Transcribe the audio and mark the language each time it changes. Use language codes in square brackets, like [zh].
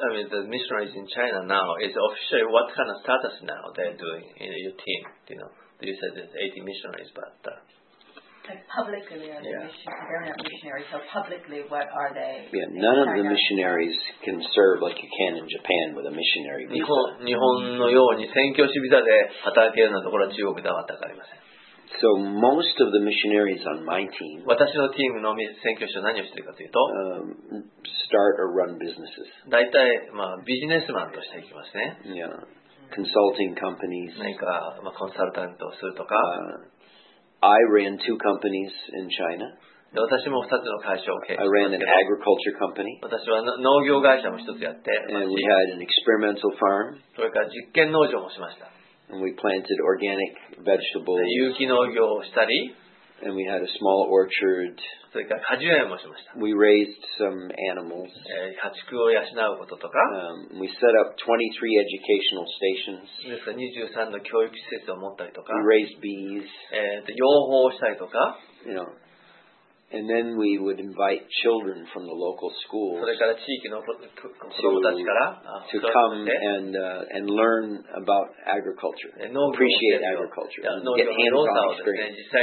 [en] I mean, the missionaries in China now is officially what kind of status now they're doing in your team? You know, you said there's 80 missionaries, but publicly, are they missionaries? So publicly, what are they? Yeah, none of the missionaries can serve like you can in Japan with a missionary visa. [ja] 日本のように宣教師ビザで働けるようなところは中国では全くありません。 [en] So most of the missionaries on my team, [ja] 私のチームの宣教師は何をしているかというと、 [en] start or run businesses. [ja] 大体、まあ、ビジネスマンとしていきますね。 [en] Yeah. Consulting companies. [ja] 何か、まあ、コンサルタントをするとか。 [en] I ran two companies in China. [ja] 私も二つの会社を経営。 [en] I ran an agriculture company. [ja] 私は農業会社も一つやって。 [en] And we had an experimental farm. [ja] それから実験農場もしました。 [en] And we planted organic vegetables. [ja] 有機農業をしたり。 [en] And we had a small orchard. [ja] それから果樹園もしました。 [en] We raised some animals. [ja] 家畜を養うこととか。 [en] We set up 23 educational stations. [ja] ですから23の教育施設を持ったりとか。 [en] We raised bees. [ja] 養蜂をしたりとか。 [en] You know. And then we would invite children from the local schools to come and learn about agriculture, appreciate agriculture, get hands-on experience.